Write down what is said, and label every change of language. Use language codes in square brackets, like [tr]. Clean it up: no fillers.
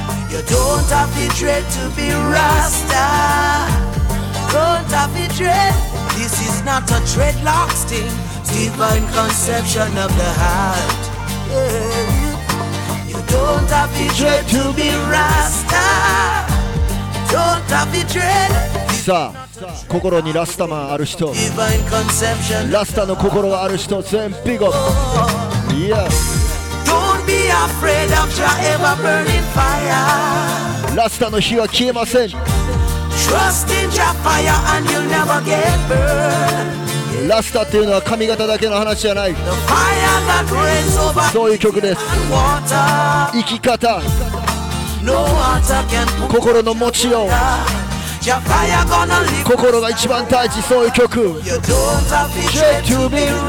[en] You don't have the dread to be Rasta. Don't have it dread. This is not a dreadlock sting. Divine conception of the heart. Yeah. You don't have it dread to be Rasta. Don't have it dread. [ja] さあ、心にラスタマンある人、ラスタの心がある人、全ピゴ。 [en] Yes. Don't be afraid of your ever burning fire. [ja] ラスタの火は消えません。 [en] Trust in your fire and you'll never get burned. [ja] ラスタっていうのは髪型だけの話じゃない。 [en] The fire that reigns over. [ja] そういう曲です。 [en] Water. [ja] 生き方。 [en] No water can put. [ja] 心の持ちよう。 [en] Your fire gonna live. [ja] 心が一番大事、そういう曲。 [en] You don't have to dread to be Rasta.